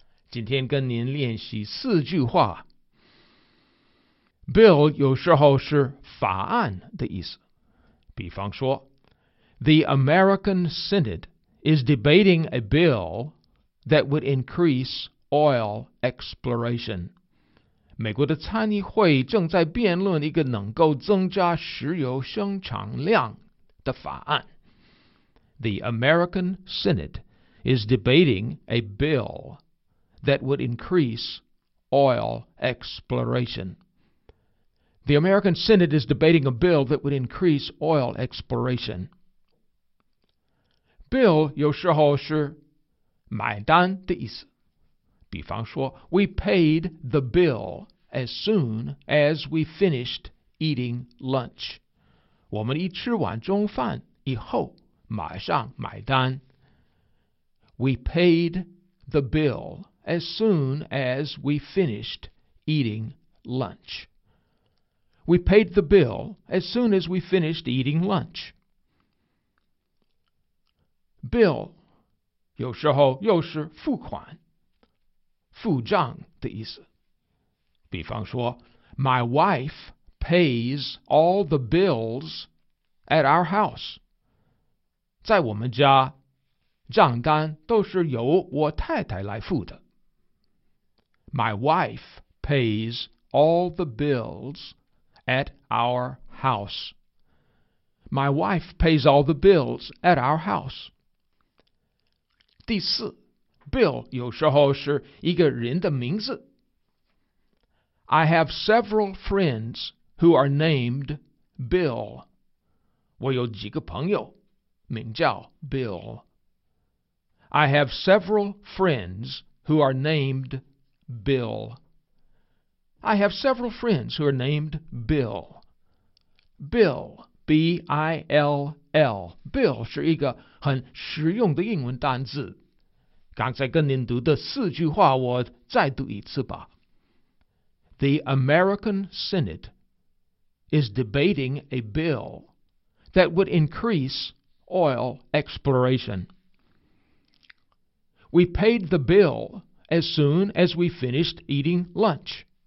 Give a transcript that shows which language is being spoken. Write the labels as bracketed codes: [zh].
[zh] 今天跟您练习四句话。Bill 有时候是法案的意思，比方说 [en] ，The American Senate is debating a bill that would increase oil exploration。 [zh] 美国的参议会正在辩论一个能够增加石油生产量的法案。 [en] The American Senate is debating a bill that would increase oil exploration. The American Senate is debating a bill that would increase oil exploration. [zh] Bill 有时候是买单的意思。 [en] 比方说 ,We paid the bill as soon as we finished eating lunch. [zh] 我们一吃完中饭以后马上买单。 [en] We paid the bill as soon as we finished eating lunch. We paid the bill as soon as we finished eating lunch. [zh] Bill 有时候又是付款、付账的意思。 [en] 比方说 ,My wife pays all the bills at our house. [zh] 在我们家账单都是由我太太来付的。 [en] My wife pays all the bills. At our house. My wife pays all the bills at our house. [zh] 第四 ,Bill 有时候是一个人的名字。 [en] I have several friends who are named Bill. [zh] 我有几个朋友名叫 Bill. [en] I have several friends who are named Bill. I have several friends who are named Bill. [zh] Bill, B-I-L-L. Bill 是一个很实用的英文单字。刚才跟您读的四句话我再读一次吧。 [en] The American Senate is debating a bill that would increase oil exploration. We paid the bill as soon as we finished eating lunch.